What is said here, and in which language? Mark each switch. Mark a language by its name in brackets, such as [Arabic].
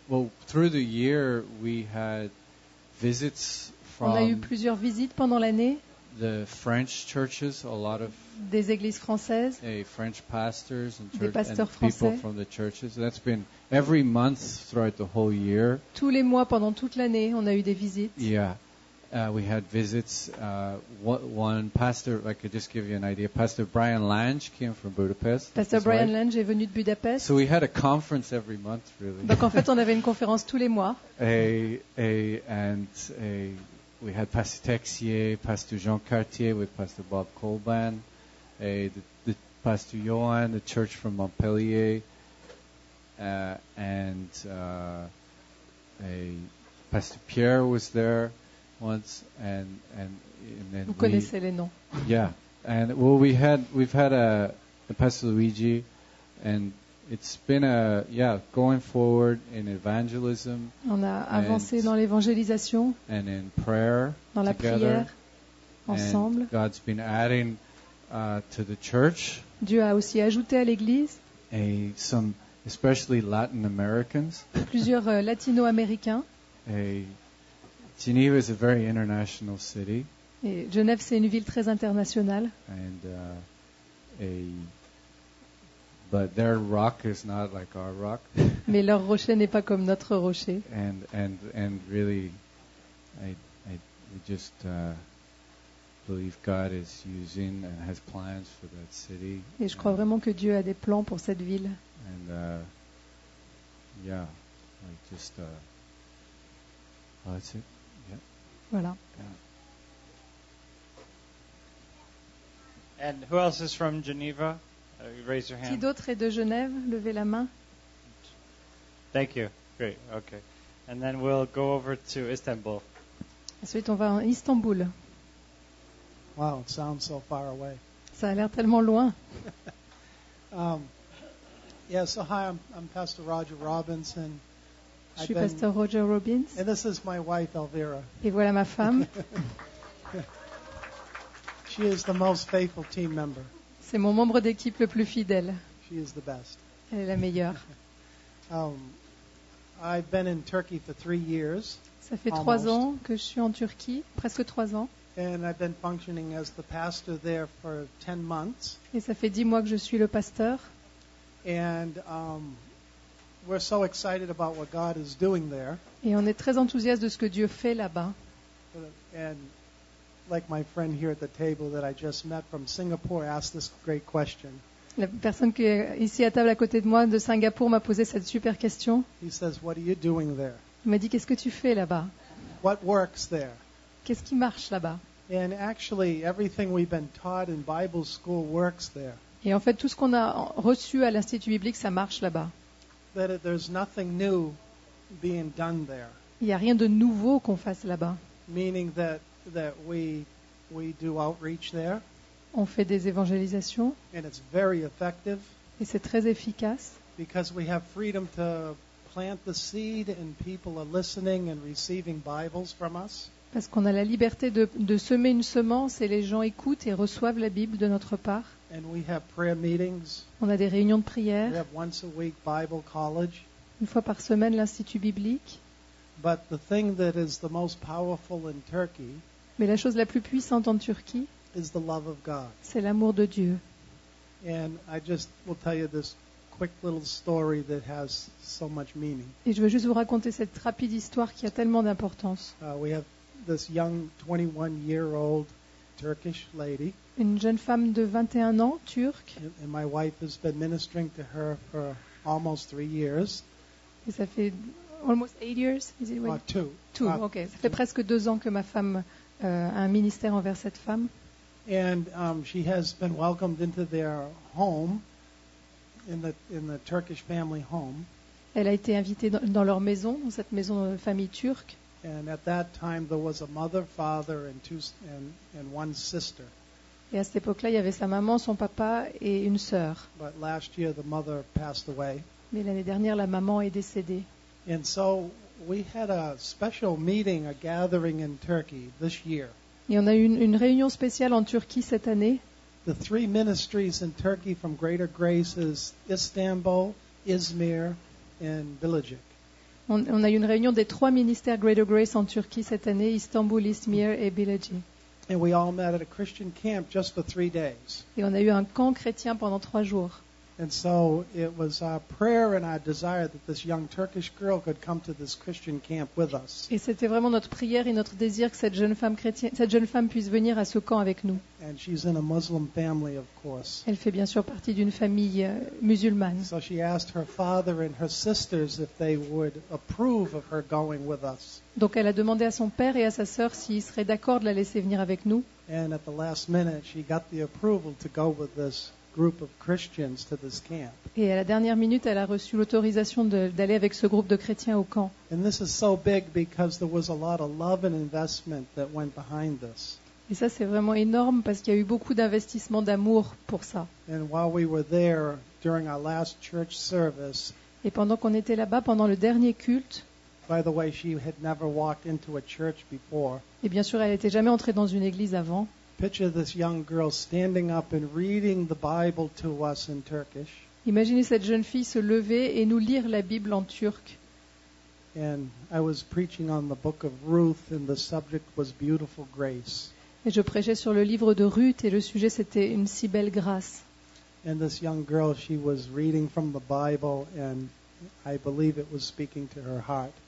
[English] Well, through the year, we had visits from. [French] On a eu plusieurs visites pendant l'année. [English] The French churches, a lot of [French] des églises françaises, [English] French pastors and [French] des pasteurs [English] and [French] français, [English] people from the churches. That's been every month throughout the whole year. [French] Tous les mois pendant toute l'année, on a eu des visites. [English] Yeah, we had visits. One pastor, I could just give you an idea. Pastor Brian Lange came from Budapest. [French] Pastor Brian Lange est venu de Budapest. [English] So we had a conference every month, really. [French] Donc en fait, on avait une conférence tous les mois. [English] We had Pastor Texier, Pastor Jean Cartier with Pastor Bob Colban, the Pastor Johan, the church from Montpellier, Pastor Pierre was there once, and then [French] vous connaissez les noms. [English] Yeah, and well, we've had a Pastor Luigi, and it's been going forward in evangelism. [French] On a avancé dans l'évangélisation. [English] And in prayer. [French] Dans la [English] together. [French] Prière. Ensemble. [English] And God's been adding to the church. [French] Dieu a aussi ajouté à l'église. [English] Some especially Latin Americans. [French] Plusieurs Latino-Américains. [English] Geneva is a very international city. [French] Et Genève c'est une ville très internationale. [English] And but their rock is not like our rock. [French] Mais leur rocher n'est pas comme notre rocher. [English] And really, I just believe God is using and has plans for that city. [French] Et je crois vraiment que Dieu a des plans pour cette ville. [English] And that's it. Yeah. [French] Voilà. [English] Yeah. And who else is from Geneva? Raise your hand. [French] Qui d'autre est de Genève? Levez la main. [English] Thank you. Great. Okay. And then we'll go over to Istanbul. [French] Ensuite, on va en Istanbul. [English] Wow, it sounds so far away. [French] Ça a l'air tellement loin. [English] Hi, I'm Pastor Roger Robinson. [French] Je suis Pasteur Roger Robbins. [English] And this is my wife, Elvira. [French] Et voilà ma femme. [English] She is the most faithful team member. [French] C'est mon membre d'équipe le plus fidèle. [English] She is the best. [French] Elle est la meilleure. [English] I've been in Turkey for 3 years. [French] Ça fait trois ans que je suis en Turquie, presque trois ans. [English] And I've been functioning as the pastor there for 10 months. [French] Et ça fait 10 mois que je suis le pasteur. [English] And we're so excited about what God is doing there. [French] Et on est très enthousiaste de ce que Dieu fait là-bas. [English] And like my friend here at the table that I just met from Singapore asked this great question. [French] La personne qui est ici à table à côté de moi de Singapour m'a posé cette super question. [English] He says, what are you doing there? [French] Il m'a dit, qu'est-ce que tu fais là-bas? [English] What works there? [French] Qu'est-ce qui marche là-bas? [English] And actually, everything we've been taught in Bible school works there. [French] Et en fait, tout ce qu'on a reçu à l'Institut biblique, ça marche là-bas. [English] That there's nothing new being done there. [French] Il n'y a rien de nouveau qu'on fasse là-bas. [English] Meaning that we do outreach there. [French] On fait des évangélisations. [English] And it's very effective. [French] Et c'est très efficace. [English] Because we have freedom to plant the seed and people are listening and receiving Bibles from us. [French] Parce qu'on a la liberté de semer une semence et les gens écoutent et reçoivent la Bible de notre part. [English] And we have prayer meetings. [French] On a des réunions de prière. [English] We have once a week Bible college. [French] Une fois par semaine, l'Institut biblique. [English] But the thing that is the most powerful in Turkey, [French] mais la chose la plus puissante en Turquie, [English] is the love of God. [French] C'est l'amour de Dieu. [English] And I just will tell you this quick little story that has so much meaning. [French] Et je veux juste vous raconter cette rapide histoire qui a tellement d'importance. [English] We have this young 21-year-old Turkish lady. [French] Une jeune femme de 21 ans, turque. [English] And my wife has been ministering to her for almost 3 years. [French] Et ça fait [English] almost 8 years, is it? Two. [French] Ça fait presque 2 ans que ma femme a un ministère envers cette femme. [English] And she has been welcomed into their home, in the Turkish family home. [French] Elle a été invitée dans leur maison, dans cette maison de famille turque. [English] And at that time, there was a mother, father, and one sister. [French] Et à cette époque-là, il y avait sa maman, son papa et une sœur. [English] But last year, the mother passed away. [French] Mais l'année dernière, la maman est décédée. [English] And so we had a special meeting, a gathering in Turkey this year. [French] Et on a eu une réunion spéciale en Turquie cette année. [English] The three ministries in Turkey from Greater Grace is Istanbul, Izmir, and Bilecik. [French] On a eu une réunion des trois ministères Greater Grace en Turquie cette année, Istanbul, Izmir et Bilecik. [English] And we all met at a Christian camp just for 3 days. [French] Et on a eu un camp chrétien pendant 3 jours. [English] And so it was our prayer and our desire that this young Turkish girl could come to this Christian camp with us. [French] Et c'était vraiment notre prière et notre désir que cette jeune femme chrétienne, cette jeune femme puisse venir à ce camp avec nous. [English] And she's in a Muslim family, of course. [French] Elle fait bien sûr partie d'une famille musulmane. [English] So she asked her father and her sisters if they would approve of her going with us. [French] Donc elle a demandé à son père et à sa sœur s'ils seraient d'accord de la laisser venir avec nous. [English] And at the last minute, she got the approval to go with this group of Christians to this camp. [French] Et à la dernière minute, elle a reçu l'autorisation d'aller avec ce groupe de chrétiens au camp. [English] And this is so big because there was a lot of love and investment that went behind this. [French] Et ça, c'est vraiment énorme parce qu'il y a eu beaucoup d'investissement d'amour pour ça. [English] And while we were there during our last church service. [French] Et pendant qu'on était là-bas pendant le dernier culte. [English] By the way, she had never walked into a church before. [French] Et bien sûr, elle n'était jamais entrée dans une église avant. [English] Picture this young girl standing up and reading the Bible to us in Turkish. [French] Imaginez cette jeune fille se lever et nous lire la Bible en turc. [English] And I was preaching on the book of Ruth and the subject was beautiful grace. [French] Et je prêchais sur le livre de Ruth et le sujet c'était une si belle grâce. [English] And this young girl, she was reading from the Bible and I believe it was speaking to her heart.